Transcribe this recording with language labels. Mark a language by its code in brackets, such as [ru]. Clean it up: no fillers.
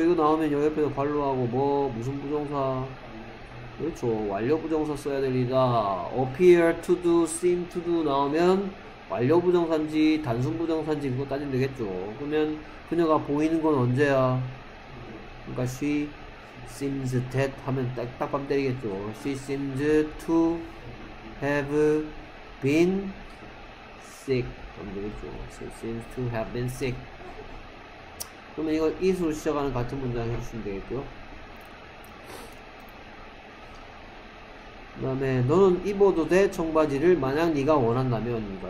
[ko] 이거 나오면 여기 옆에서 관로하고, 뭐, 무슨 부정사? 그렇죠. 완료부정사 써야 됩니다. [en] appear to do, seem to do [ko] 나오면 완료부정사인지 단순부정사인지 그거 따지면 되겠죠. 그러면 그녀가 보이는 건 언제야? 그러니까 [en] she seems that [ko] 하면 딱딱 밤 때리겠죠. [en] she seems to have been sick [ko] 하면 되겠죠. [en] she seems to have been sick. [ko] 그러면 이거 it으로 시작하는 같은 문장 해주시면 되겠고요. 그 다음에 너는 입어도 돼 청바지를 만약 네가 원한다면.